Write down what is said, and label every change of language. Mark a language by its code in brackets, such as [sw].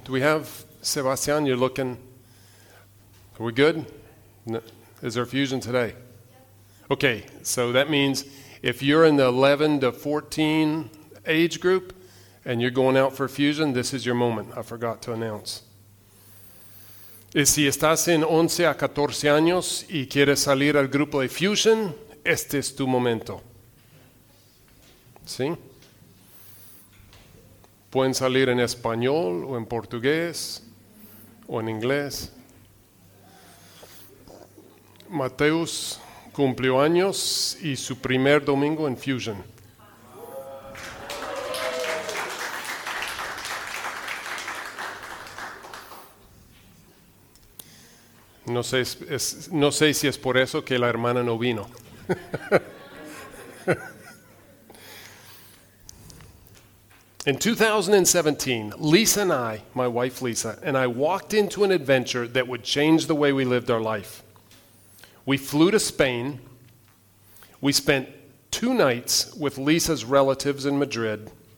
[en] Do we have Sebastian? You're looking. Are we good? No. Is there a fusion today? Okay, so that means if you're in the 11 to 14 age group and you're going out for fusion, this is your moment. I forgot to announce. [es] Y si estás en 11 a 14 años y quieres salir al grupo de fusion, este es tu momento. ¿Sí? Pueden salir en español o en portugués o en inglés. Mateus cumplió años y su primer domingo en Fusion. No sé si es por eso que la hermana no vino. [en] In 2017, Lisa and I, my wife Lisa, and I walked into an adventure that would change the way we lived our life. We flew to Spain. We spent two nights with Lisa's relatives in Madrid.